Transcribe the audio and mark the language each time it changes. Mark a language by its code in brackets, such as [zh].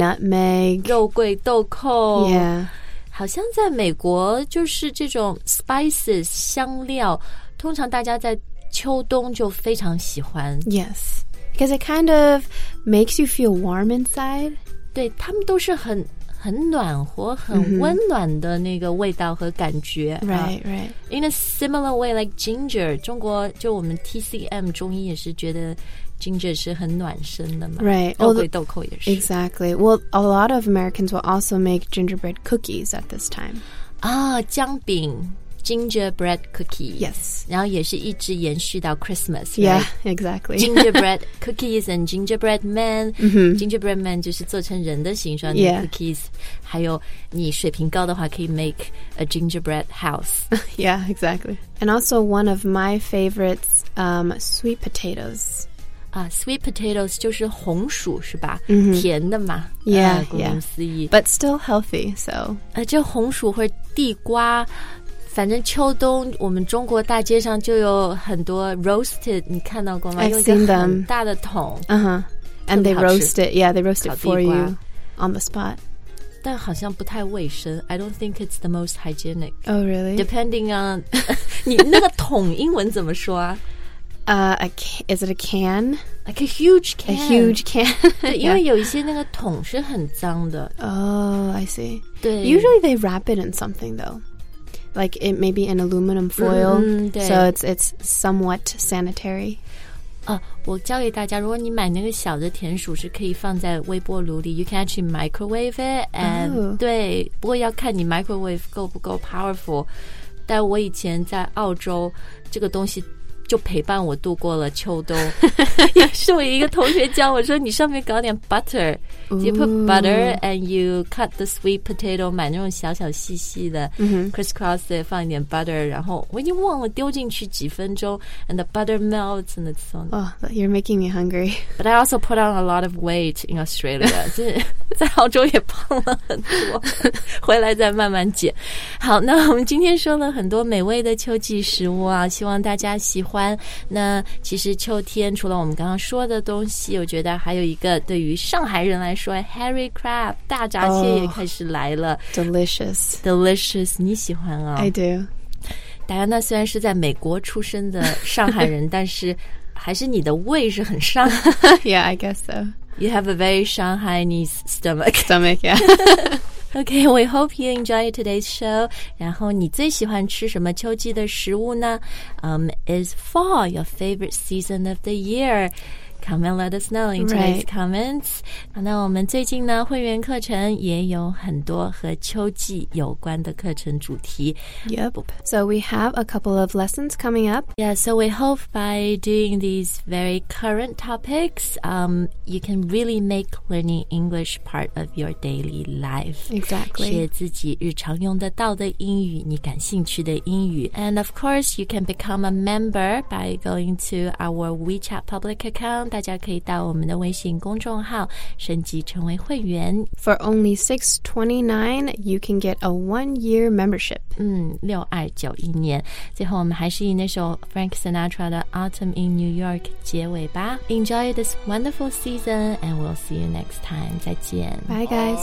[en] nutmeg [zh] 肉桂豆蔻 [en] Yeah [zh] 好像在美国就是这种 spices 香料通常大家在秋冬就非常喜欢 [en] YesBecause it kind of makes you feel warm inside. [zh] 对他们都是很暖和很温暖的那个味道和感觉。 [en] Right, right. In a similar way, like ginger, [zh] 中国就我们 TCM, 中医也是觉得 ginger 是很暖身的嘛。 [en] Right. [zh] 肉桂豆蔻也是。 [en] Exactly. Well, a lot of Americans will also make gingerbread cookies at this time. [zh] 啊、oh, 姜饼。 [en] Gingerbread cookies. Yes. [zh] 然后也是一直延续到 Christmas, right? [en] Yeah, exactly. Gingerbread cookies and gingerbread men.、 Mm-hmm. [zh] Gingerbread men 就是做成人的形状的、 [en] yeah. cookies. [zh] 还有你水平高的话可以 [en] make a gingerbread house. Yeah, exactly. And also one of my favorites,、sweet potatoes.、 [zh] sweet potatoes 就是红薯是吧、 mm-hmm. 甜的嘛。 [en] Yeah,、 [zh] 顾名思义 [en] yeah. But still healthy, so.、 [zh] 这红薯或地瓜反正秋冬我们中国大街上就有很多 roasted 你看到过吗 [en] I've seen them [zh] 用一个很大的桶、 uh-huh. [en] And they roast it Yeah they roast it for you On the spot [zh] 但好像不太卫生 [en] I don't think it's the most hygienic Oh really Depending on [zh] 你那个桶英文怎么说啊 [en] is it a can? Like a huge can. A huge can. [zh] 对因为有一些那个桶是很脏的 [en] Oh I see [zh] 对 [en] Usually they wrap it in something thoughLike it may be an aluminum foil,、 mm-hmm, so it's somewhat sanitary. [zh] 我教给大家，如果你买那个小的甜薯，是可以放在微波炉里。 [en] You can actually microwave it, and、 oh. [zh] 对，不过要看你 microwave 够不够 powerful. 但我以前在澳洲，这个东西就陪伴我度过了秋冬。也是我一个同学教我说你上面搞点 butter、Ooh. [en] You put butter and you cut the sweet potato, [zh] 买那种小小细细的、 mm-hmm. crisscross 的放一点 butter, 然后我已经忘了丢进去几分钟 [en] and the butter melts and it's on. Oh, you're making me hungry. But I also put on a lot of weight in Australia. [zh] 就是在澳洲也胖了很多，回来再慢慢减。好，那我们今天说了很多美味的秋季食物啊，希望大家喜欢。那其实秋天除了我们刚刚说的东西，我觉得还有一个对于上海人来说 ，Harry Crab 大闸蟹也开始来了、 [en] oh, ，delicious， [zh] 你喜欢啊 [en] ？I do。 [zh] 戴安娜虽然是在美国出生的上海人，但是还是你的胃是很上。 [en] Yeah, I guess so. You have a very Shanghainese stomach. Stomach, yeah. Okay, we hope you enjoy today's show. [zh] 然后你最喜欢吃什么秋季的食物呢？ [en] Is fall your favorite season of the year? Come and let us know in today's、 comments. [zh] 那我们最近呢，会员课程也有很多和秋季有关的课程主题。 [en] Yep. So we have a couple of lessons coming up. Yeah, so we hope by doing these very current topics, you can really make learning English part of your daily life. Exactly. [zh] 学自己日常用得到的英语，你感兴趣的英语。 [en] And of course, you can become a member by going to our WeChat public account. [zh] 大家可以到我们的微信公众号升级成为会员 [en] For only $6.29 you can get a 1-year membership [zh] 629一年最后我们还是以那首 Frank Sinatra 的 Autumn in New York 结尾吧 [en] Enjoy this wonderful season and we'll see you next time [zh] 再见 [en] Bye guys